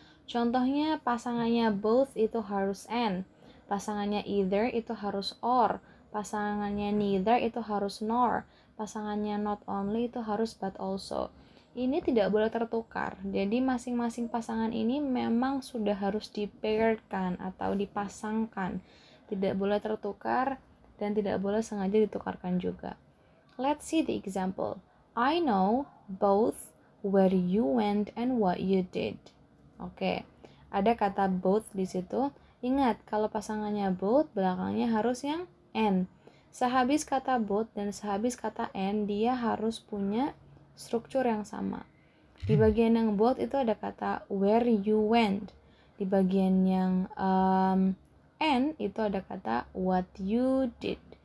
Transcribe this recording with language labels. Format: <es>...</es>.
<id>Contohnya pasangannya both itu harus and, pasangannya either itu harus or, pasangannya neither itu harus nor, pasangannya not only itu harus but also. Ini tidak boleh tertukar. Jadi masing-masing pasangan ini memang sudah harus di-pairkan atau dipasangkan. Tidak boleh tertukar dan tidak boleh sengaja ditukarkan juga.</id> <en>Let's see the example. I know both where you went and what you did.</en> <id>Oke, ada kata both di situ. Ingat, kalau pasangannya both, belakangnya harus yang and. Sehabis kata both dan sehabis kata and, dia harus punya struktur yang sama. Di bagian yang both itu ada kata where you went. Di bagian yang and itu ada kata what you did.</id>